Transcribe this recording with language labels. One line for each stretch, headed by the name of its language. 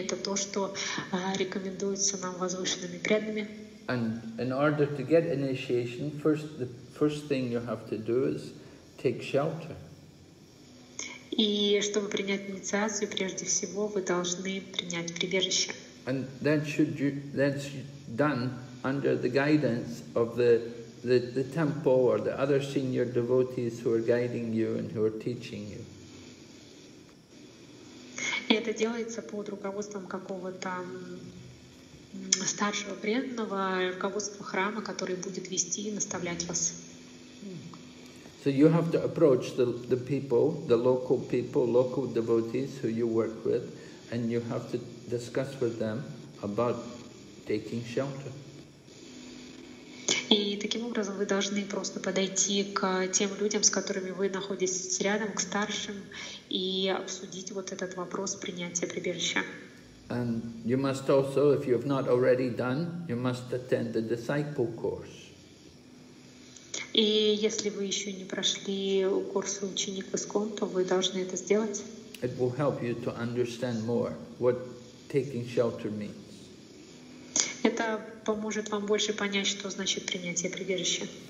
Russian: Это то, что рекомендуется нам возвышенными преданными.
English: And in order to get initiation, the first thing you have to do is take shelter.
Russian: И чтобы принять инициацию, прежде всего вы должны принять прибежище.
English: And that's done under the guidance of the temple or the other senior devotees who are guiding you and who are teaching you.
Russian: И это делается под руководством какого-то старшего преданного, руководства храма, который будет вести и наставлять вас.
English: So you have to approach the people, the local people, local devotees who you work with, and you have to discuss with them about taking shelter.
Russian: И таким образом вы должны просто подойти к тем людям, с которыми вы находитесь рядом, к старшим, и обсудить вот этот вопрос принятия прибежища.
English: And you must also, if you have not already done, you must attend the disciple course.
Russian: И если вы еще не прошли курс ученик Искон, то вы должны это сделать.
English: It will help you to understand more what taking shelter means.
Russian: Это поможет вам больше понять, что значит принятие прибежища.